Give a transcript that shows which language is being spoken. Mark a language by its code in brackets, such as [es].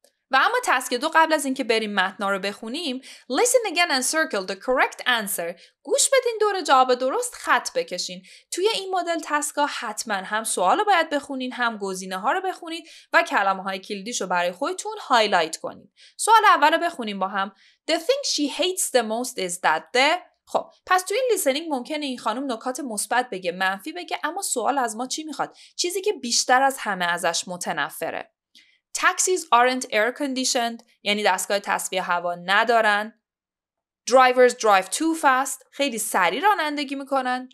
[fa] و اما تسک دو قبل از اینکه بریم متن رو بخونیم، [en] listen again and circle the correct answer. [fa] گوش بدین دور جواب درست خط بکشین. توی این مدل تسکا حتما هم سوال رو باید بخونین، هم گزینه ها رو بخونید و کلمه های کلیدیش رو برای خودتون هایلایت کنین. سوال اول رو بخونیم با هم. [en] The thing she hates the most is that the... [fa] خب پس تو این لیسنینگ ممکنه این خانم نکات مثبت بگه، منفی بگه، اما سوال از ما چی میخواد؟ چیزی که بیشتر از همه ازش متنفره. [en] Taxis aren't air-conditioned, [fa] یعنی دستگاه تصفیه هوا ندارن. [en] Drivers drive too fast, [fa] خیلی سریع رانندگی میکنن.